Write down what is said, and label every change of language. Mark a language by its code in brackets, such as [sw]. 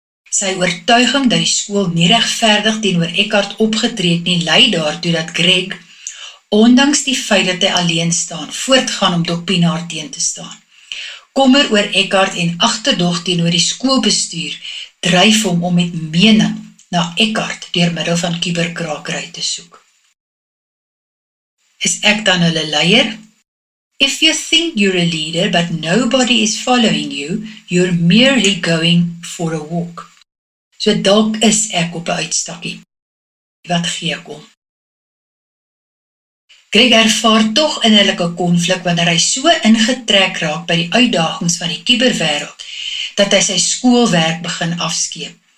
[af] Sy oortuiging dat die skool nie regverdig teenoor Eckhart opgetree het nie, lei daartoe dat Greg, ondanks die feit dat hy alleen staan, voortgaan om Doc Pienaar teen te staan. Kommer oor Eckhart en agterdog teenoor die skoolbestuur dryf hom om met mening na Eckhart deur middel van kuberkraakry te soek. Is ek dan hulle leier? [en] If you think you're a leader but nobody is following you, you're merely going for a walk. [af] So dalk is ek op 'n uitstakkie. Wat gee ek om? Greg ervaar tog innerlike konflik wanneer hy so ingetrek raak by die uitdagings van die kuberwêreld dat hy sy skoolwerk begin afskeep.